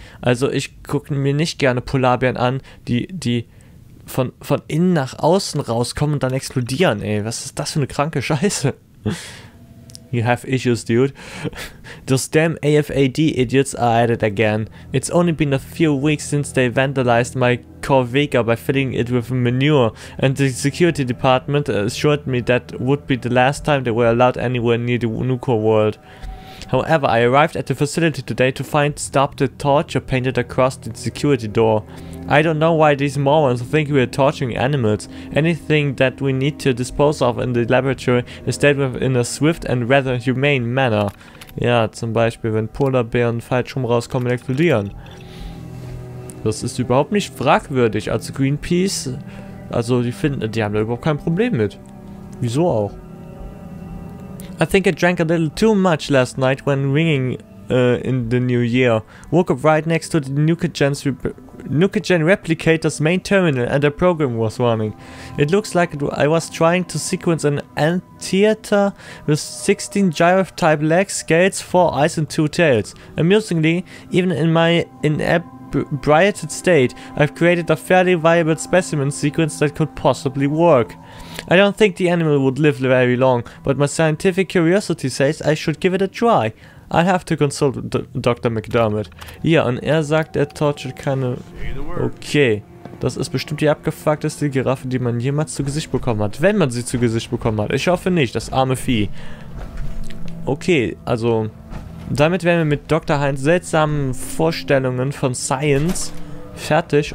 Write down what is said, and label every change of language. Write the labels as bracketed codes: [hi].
[de] Also ich gucke mir nicht gerne Polarbären an, die von innen nach außen rauskommen und dann explodieren, ey. Was ist das für eine kranke Scheiße? [en] You have issues, dude. Those damn AFAD idiots are at it again. It's only been a few weeks since they vandalized my Corvega by filling it with manure, and the security department assured me that would be the last time they were allowed anywhere near the nuclear world. However, I arrived at the facility today to find Stop the Torture painted across the security door. I don't know why these morons think we are torturing animals. Anything that we need to dispose of in the laboratory is dealt with in a swift and rather humane manner. [de] Ja, zum Beispiel, wenn Polarbären falsch rum rauskommen, explodieren. Das ist überhaupt nicht fragwürdig. Also Greenpeace, also die finden, die haben da überhaupt kein Problem mit. Wieso auch? [en] I think I drank a little too much last night when ringing in the new year. Woke up right next to the Nukagen replicator's main terminal and a program was running. It looks like I was trying to sequence an anteater with 16 gyrotype legs, scales, 4 eyes and 2 tails. Amusingly, even in my inebriated state, I've created a fairly viable specimen sequence that could possibly work. I don't think the animal would live very long, but my scientific curiosity says I should give it a try. I'll have to consult Dr. McDermott. [de] Ja, und er sagt, er tortet keine... Okay, das ist bestimmt die abgefuckteste Giraffe, die man jemals zu Gesicht bekommen hat. Wenn man sie zu Gesicht bekommen hat. Ich hoffe nicht, das arme Vieh. Okay, also... Damit wären wir mit Dr. Heinz' seltsamen Vorstellungen von Science fertig.